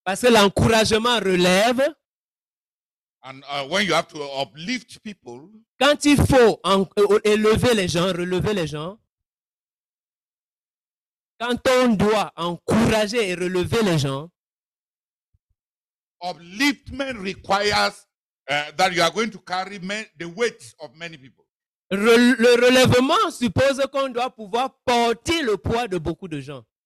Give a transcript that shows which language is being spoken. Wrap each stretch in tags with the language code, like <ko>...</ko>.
<fr>Parce que l'encouragement relève.</fr> <en>And when you have to uplift people.</en> <fr>Quand il faut élever les gens, relever les gens. Quand on doit encourager et relever les gens.</fr> <en>Upliftment requires that you are going to carry the weight of many people.</en> <fr>Le relèvement suppose qu'on doit pouvoir porter le poids de beaucoup de gens.</fr>